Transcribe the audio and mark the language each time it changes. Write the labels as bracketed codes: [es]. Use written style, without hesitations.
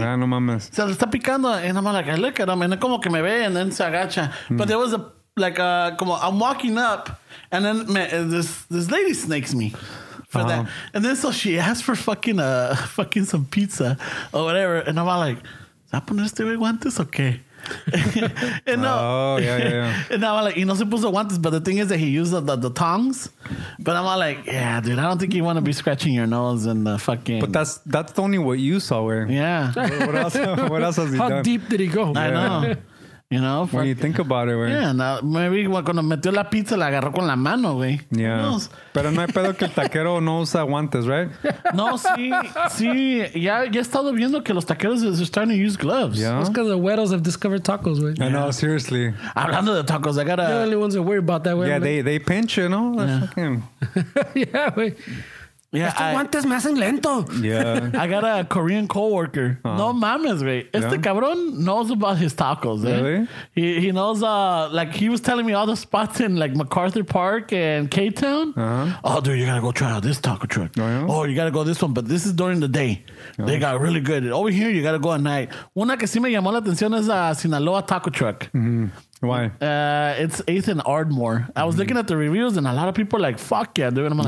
[es] Ah, no mames. [en] Se le está picando. And I'm like, I look at him. And como que me ve and then se agacha. But there was a, like, como I'm walking up and then this lady snakes me. For that. And then so she asked for fucking some pizza or whatever. And I'm like... [es] ¿Se va a poner este güey guantes o qué? [en] Oh, yeah. And I'm like, y no se puso guantes, but the thing is that he used the tongs. But I'm like, yeah, dude, I don't think you want to be scratching your nose and the fucking... But that's only what you saw, where... Yeah. What else has he How done? How deep did he go? I know. You know? When you think about it, where... [es] Yeah, no, maybe cuando metió la pizza, la agarró con la mano, güey. Yeah. No. Pero no hay pedo que el taquero no usa guantes, right? No, sí. Ya he estado viendo que los taqueros are starting to use gloves. [en] Yeah. It's because the güeros have discovered tacos, güey. I know, seriously. Hablando de tacos, I got the only ones that worry about that, güey. Yeah, they pinch, you know? Yeah, güey. Yeah, [es] estos guantes me hacen lento. [en] Yeah. I got a Korean coworker. Uh-huh. No mames, güey. Este cabrón knows about his tacos, eh? Really? He knows, like, he was telling me all the spots in, like, MacArthur Park and K-Town. Uh-huh. Oh, dude, you gotta go try out this taco truck. Uh-huh. Oh, you gotta go this one, but this is during the day. Uh-huh. They got really good. Over here, you gotta go at night. [es] Una que sí me llamó la atención es a Sinaloa Taco Truck. [en] Mm-hmm. Why? It's 8th and Ardmore. Mm-hmm. I was looking at the reviews, and a lot of people like, fuck yeah, dude. And I'm like...